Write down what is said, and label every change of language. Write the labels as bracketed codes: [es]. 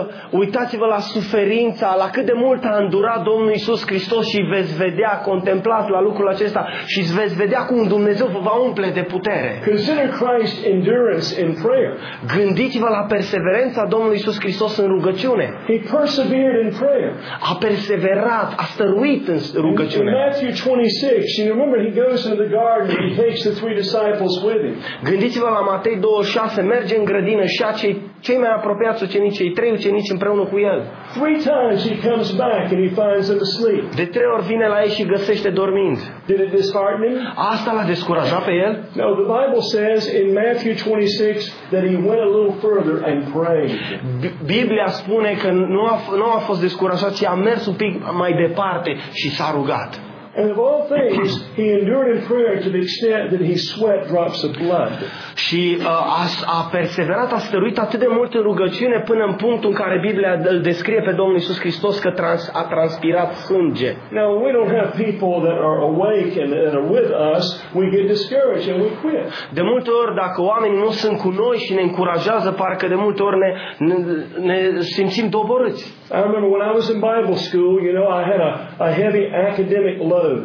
[ro] Uitați-vă la suferința, la cât de mult a îndurat Domnul Iisus Hristos și veți vedea, contemplați la lucrul acesta și veți vedea cum Dumnezeu vă va umple de putere. [en] Consider Christ's endurance in prayer. [ro] Gândiți-vă la perseverența Domnului Iisus Hristos în rugăciune. [en] He persevered in prayer. [ro] A perseverat, a stăruit în rugăciune. [en] In Matthew 26, you remember he goes into the garden and he takes the three disciples with him. [ro] Gândiți-vă la Matei 26, merge în grădină și cei mai apropiați ucenici, cei trei ucenici împreună cu el. [en] Three times he comes back and he finds them asleep. [ro] De trei ori vine la ei și găsește dormind. [en] Did it dishearten him? [ro] Asta l-a descurajat pe el? [en] No, the Bible says in Matthew 26 that he went a little further and prayed. [ro] Biblia spune că nu a fost descurajat, ci a mers un pic mai departe și s-a rugat. [en] And of all things, he endured in prayer to the extent that he sweat drops of blood. [ro] Și a perseverat, a stăruit atât de mult în rugăciune până în punctul în care Biblia îl descrie pe Domnul Iisus Hristos că a transpirat sânge. [en] Now, we don't have people that are awake and that are with us, we get discouraged and we quit. [ro] De multe ori, dacă oamenii nu sunt cu noi și ne încurajează, parcă de multe ori ne simțim doborâți. [en] I remember when I was in Bible school, you know, I had a heavy academic load.